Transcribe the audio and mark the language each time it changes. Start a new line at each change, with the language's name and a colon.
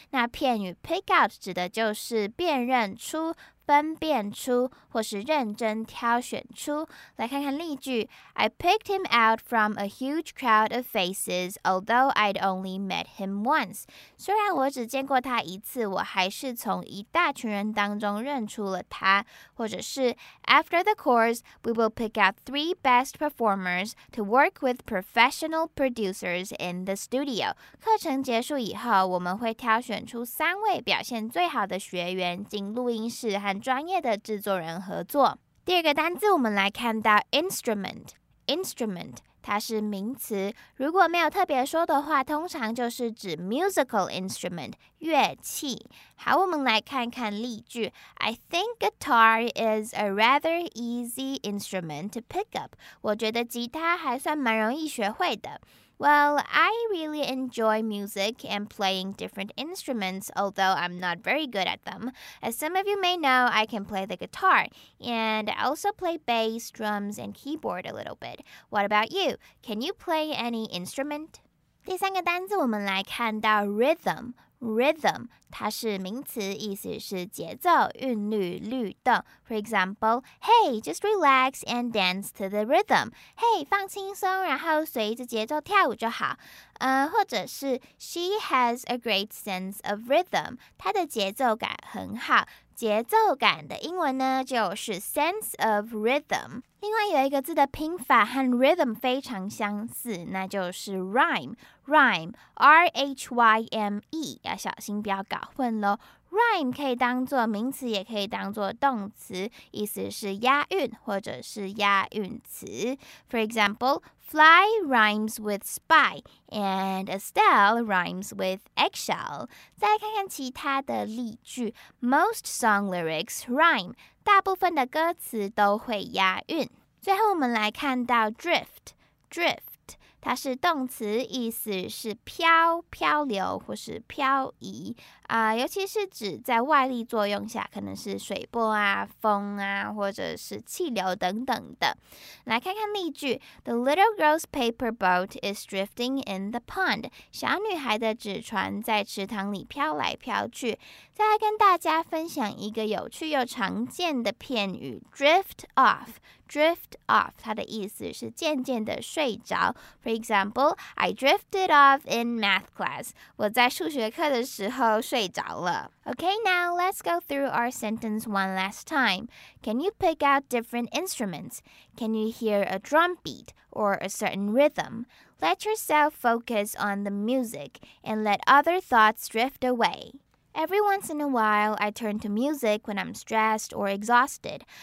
Chinese: 那片语 pick out 指的就是辨认出、分辨出，或是认真挑选出。来看看例句
English: ：I picked him out from a huge crowd of faces, although I'd only met him once.
Chinese: 虽然我只见过他一次，我还是从一大群人当中认出了他。或者是
English: ：After the course, we will pick out 3 best performers to work with professional producers in the studio.
Chinese: 课程结束以后，我们会挑选出三位表现最好的学员进录音室和专业的制作人合作。第二个单字，我们来看到 instrument， instrument 它是名词，如果没有特别说的话，通常就是指
English: musical instrument
Chinese: 乐器。好，我们来看看例句
English: ：I think guitar is a rather easy instrument to pick up。
Chinese: 我觉得吉他还算蛮容易学会的。
English: Well, I really enjoy music and playing different instruments, although I'm not very good at them. As some of you may know, I can play the guitar, and I also play bass, drums, and keyboard a little bit. What about you? Can you play any instrument?
Chinese: 第三个单字我们来看到
English: rhythm。
Chinese: Rhythm 它是名词，意思是节奏、韵律、律动。
English: For example, Hey, just relax and dance to the rhythm.
Chinese: Hey, 放轻松，然后随着节奏跳舞就好。或者是
English: She has a great sense of rhythm.
Chinese: 她的节奏感很好。节奏感的英文呢，就是
English: sense of rhythm。
Chinese: 另外有一个字的拼法和 rhythm 非常相似，那就是 rhyme。 rhyme r h y m e， 要小心不要搞混喽。 rhyme 可以当作名词，也可以当作动词，意思是押韵或者是押韵词。
English: For example, fly rhymes with spy, and Estelle rhymes with eggshell.
Chinese: 再看看其他的例句 ，
English: most song lyrics rhyme，
Chinese: 大部分的歌词都会押韵。最后我们来看到 drift， drift。它是动词，意思是漂、漂流或是漂移啊、尤其是指在外力作用下，可能是水波啊、风啊，或者是气流等等的。来看看例句
English: ：The little girl's paper boat is drifting in the pond。
Chinese: 小女孩的纸船在池塘里飘来飘去。再来跟大家分享一个有趣又常见的片语 ：drift off。 Drift off， 它的意思是渐渐的睡着。
English: For example, I drifted off in math class.
Chinese: 我在数学课的时候睡着了。
English: Okay, now let's go through our sentence one last time. Can you pick out different instruments? Can you hear a drum beat or a certain rhythm? Let yourself focus on the music and let other thoughts drift away. Every once in a while, I turn to music when I'm stressed or exhausted.